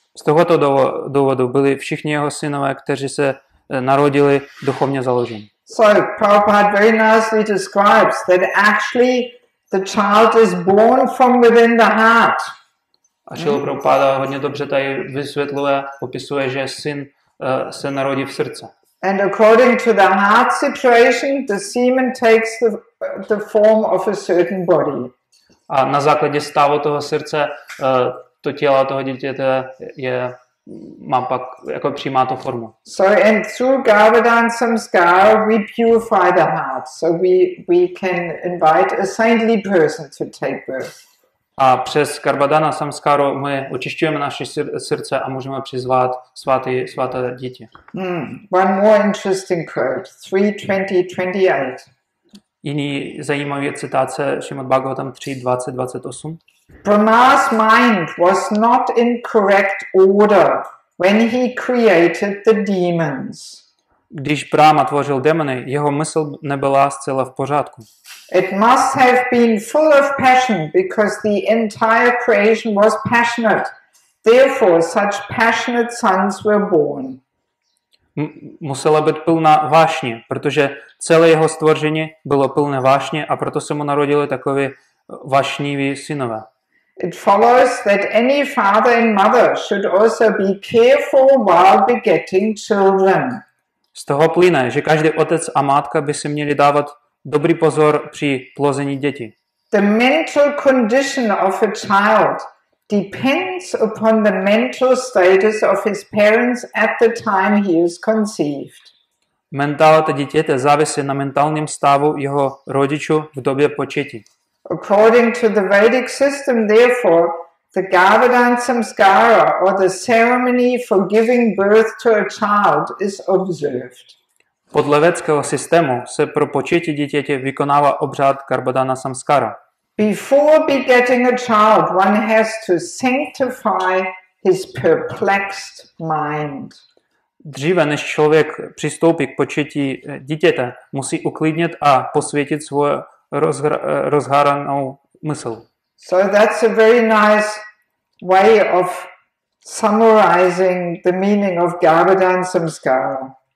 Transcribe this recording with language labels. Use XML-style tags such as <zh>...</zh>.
<cs>Z tohoto důvodu byli všichni jeho synové, kteří se narodili duchovně založení.</cs> <en>So Prabhupada very nicely describes that actually the child is born from within the heart.</en> <cs>A Šíla Prabhupada hodně dobře tady vysvětluje, popisuje, že syn se narodí v srdce.</cs> <en>And according to the heart situation, the semen takes the form of a certain body.</en> <cs>A na základě stavu toho srdce to tělo toho dítěte je má pak jako přijímá tu formu.</cs> <en>So and through Gavadan Samskara we purify the heart, so we can invite a saintly person to take birth.</en> <cs>A přes Gavadana Samskaru my očišťujeme naše srdce a můžeme přizvat svaté dítě.</cs> <en>One more interesting quote, 3:20:28.</en> <cs>Jiný zajímavý je citace Srimad Bhagavatam 3.20.28.</cs> <en>Brahma's mind was not in correct order when he created the demons.</en> <cs>Když Brahma tvořil démony, jeho mysl nebyla zcela v pořádku.</cs> <en>It must have been full of passion because the entire creation was passionate. Therefore such passionate sons were born.</en> <cs>Musela být plná vášně, protože celé jeho stvoření bylo plné vášně a proto se mu narodili takové vášniví synové.</cs> <en>It follows that any father and mother should also be careful while begetting children.</en> <cs>Z toho plyne, že každý otec a matka by si měli dávat dobrý pozor při plození dětí.</cs> <en>The mental condition of a child depends upon the mental status of his parents at the time he is conceived.</en> <cs>Mentalita dítěte závisí na mentálním stavu jeho rodičů v době početí.</cs> <en>According to the Vedic system, therefore, the Garbhadhan Samskara, or the ceremony for giving birth to a child, is observed.</en> <cs>Podle vedského systému se pro početí dítěte vykonává obřad Garbhadhana Samskara.</cs> <en>Before begetting a child, one has to sanctify his perplexed mind.</en> <cs>Dříve než člověk přistoupí k početí dítěte, musí uklidnit a posvětit svoje rozhranou mysl.</cs> <en>So that's a very nice way of summarizing the meaning of Garbhadhan Samskara.</en>